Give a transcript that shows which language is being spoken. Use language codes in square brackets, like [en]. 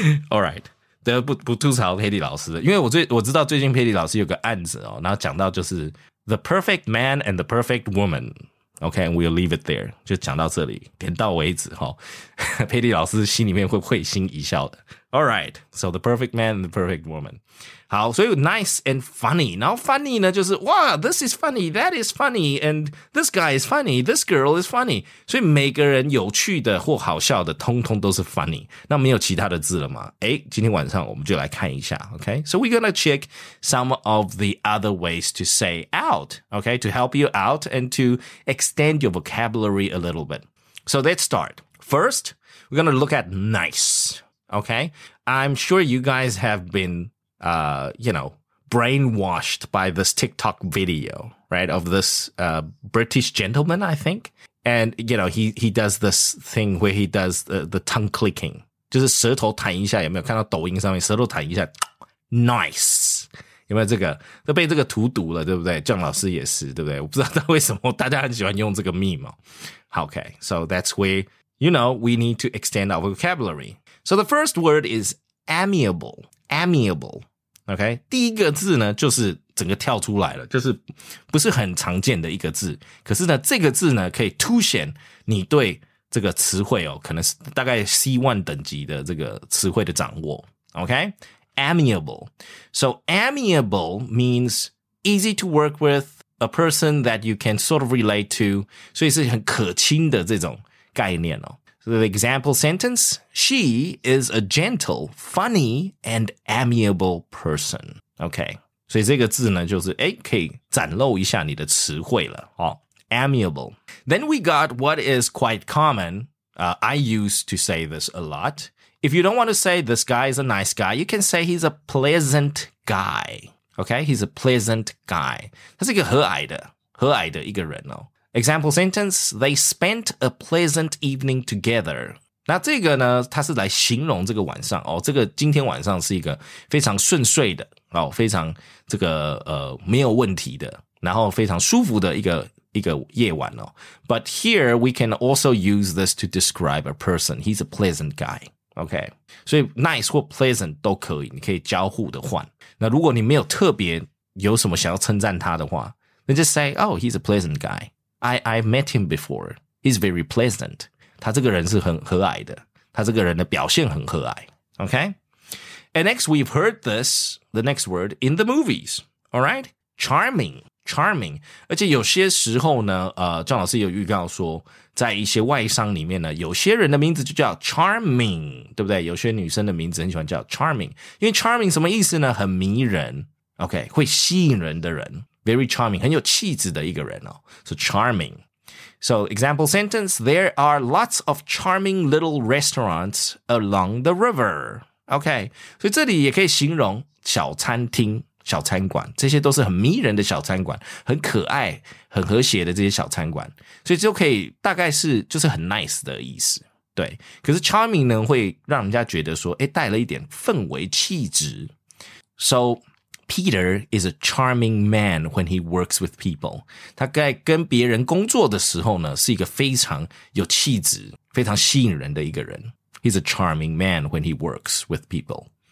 [zh] Alright, 得不吐槽佩蒂老师的，因为我知道最近佩蒂老师有个案子哦，然后讲到就是 [en] The perfect man and the perfect woman. OK, we'll leave it there. [zh] 就讲到这里点到为止哦。佩蒂老师心里面会会心一笑的。 [en] Alright, so the perfect man and the perfect woman. [zh] 好，所以 [en] nice and funny. [zh] 然后 funny 呢就是 [en] wow, this is funny, that is funny, and this guy is funny, this girl is funny. [zh] 所以每个人有趣的或好笑的通通都是 funny. 那没有其他的字了吗？诶，今天晚上我们就来看一下， okay? [en] So we're gonna check some of the other ways to say out, okay? To help you out and to extend your vocabulary a little bit. So let's start. First, we're gonna look at nice. Okay, I'm sure you guys have been, you know, brainwashed by this TikTok video, right, of this British gentleman, I think. And, you know, he does this thing where he does the tongue clicking. [zh] 就是舌头弹一下，有没有看到抖音上面舌头弹一下 ,nice. 有没有这个都被这个荼毒了，对不对？姜老师也是，对不对？我不知道为什么大家很喜欢用这个 meme 哦。 [en] Okay, so that's where, you know, we need to extend our vocabulary. So the first word is amiable, amiable, okay? [zh] 第一个字呢就是整个跳出来了，就是不是很常见的一个字，可是呢这个字呢可以凸显你对这个词汇哦，可能是大概 C1 等级的这个词汇的掌握， okay? [en] Amiable. So amiable means easy to work with, a person that you can sort of relate to, [zh] 所以是很可亲的这种概念哦。 [en] So the example sentence, she is a gentle, funny, and amiable person. Okay. [zh] 所以这个字呢就是诶可以展露一下你的词汇了。 [en] 哦、amiable. Then we got what is quite common. I used to say this a lot. If you don't want to say this guy is a nice guy, you can say he's a pleasant guy. Okay. He's a pleasant guy. [zh] 他是一个和蔼的一个人哦。 [en] Example sentence, they spent a pleasant evening together. [zh] 那这个呢，它是来形容这个晚上哦，这个今天晚上是一个非常顺遂的哦，非常这个没有问题的，然后非常舒服的一个夜晚哦。 [en] But here we can also use this to describe a person. He's a pleasant guy. [zh] OK, 所以 nice 或 pleasant 都可以，你可以交互的换。那如果你没有特别有什么想要称赞他的话，那 [en] just say, oh, he's a pleasant guy. I've met him before. He's very pleasant. [zh] 他这个人是很和蔼的，他这个人的表现很和蔼。 [en] Okay? And next, we've heard this, the next word, in the movies. Alright? Charming. Charming. [zh] 而且有些时候呢，庄老师有预告说，在一些外商里面呢，有些人的名字就叫 Charming, 对不对？有些女生的名字很喜欢叫 Charming。因为 Charming 什么意思呢？很迷人。Okay? 会吸引人的人。 [en] Very charming, [zh] 很有气质的一个人哦。So, Charming. [en] So, example sentence, there are lots of charming little restaurants along the river. [zh] Okay, 所以这里也可以形容小餐厅、小餐馆，这些都是很迷人的小餐馆，很可爱、很和谐的这些小餐馆。所以就可以大概是就是很 nice 的意思。对，可是 charming 呢会让人家觉得说，诶，带了一点氛围气质。 [en] So,Peter is a charming man when he works with people. [zh] 他在跟别人工作的时候呢，是一个非常有气质、非常吸引人的一个人。 [en] He's a charming man when he works with people.